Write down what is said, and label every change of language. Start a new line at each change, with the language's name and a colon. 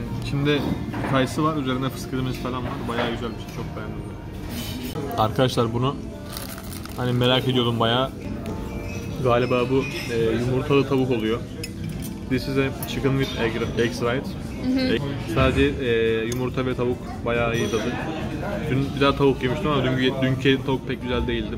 Turkish: Şimdi kayısı var, üzerinde fıskırmızı falan var. Bayağı güzel bir şey, çok beğendim. Arkadaşlar, bunu hani merak ediyordum bayağı. Galiba bu yumurtalı tavuk oluyor.
English: This is a chicken with eggs, right?
Turkish: Sadece yumurta ve tavuk bayağı iyi tadı. Dün bir daha tavuk yemiştim ama dünkü tavuk pek güzel değildi.